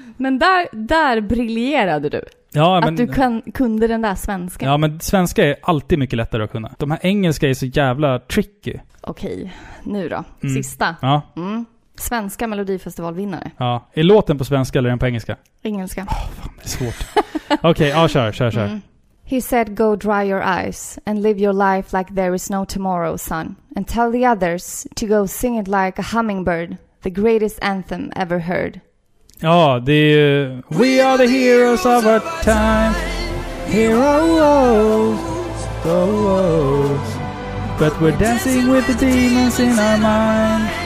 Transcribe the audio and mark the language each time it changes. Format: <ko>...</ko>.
<sv>Men där briljerade du. Ja, att men, du kunde den där svenska. Ja, men svenska är alltid mycket lättare att kunna. De här engelska är så jävla tricky. Okej, nu då. Sista. Ja. Mm. Svenska Melodifestivalvinnare. Ja. Är låten på svenska eller är den på engelska? Engelska. Oh, fan, det är svårt. Okej, okay, ja, kör. Mm.</sv> <en>He said go dry your eyes and live your life like there is no tomorrow, son. And tell the others to go sing it like a hummingbird, the greatest anthem ever heard.</en> <sv>Ja, det är ju...</sv> <en>We are the heroes of our time. Heroes, oh, oh. But we're dancing with the demons in our mind.</en>